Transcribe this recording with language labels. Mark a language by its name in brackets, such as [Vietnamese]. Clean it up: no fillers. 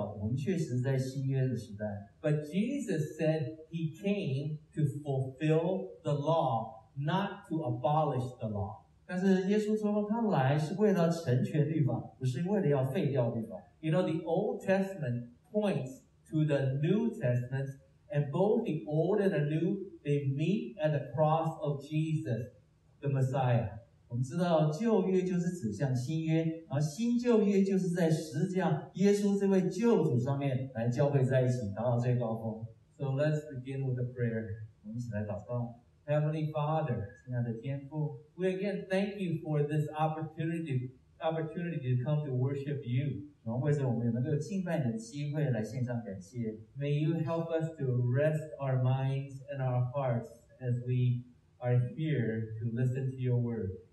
[Chinese] 确实，利未记是有关旧约的这些教导，我们确实在新约的时代。 [English] But Jesus said he came to fulfill the law, not to abolish the law. [Chinese] 但是耶稣说他来是为了成全律法，不是为了要废掉律法。 [English] You know, the Old Testament points to the New Testament, and both the Old and the New, they meet at the cross of Jesus, the Messiah. [Chinese] 我们知道旧约就是指向新约，然后新旧约就是在十字架耶稣这位救主上面来交汇在一起，达到最高峰。 [English] So let's begin with a prayer. [Chinese] 我们一起来祷告。 [English] Heavenly Father, [Chinese] 亲爱的天父, [English] we again thank you for this opportunity to come to worship you. [Chinese] 然后为着我们有能够敬拜你的机会来献上感谢。 [English] May you help us to rest our minds and our hearts as we are here to listen to your word.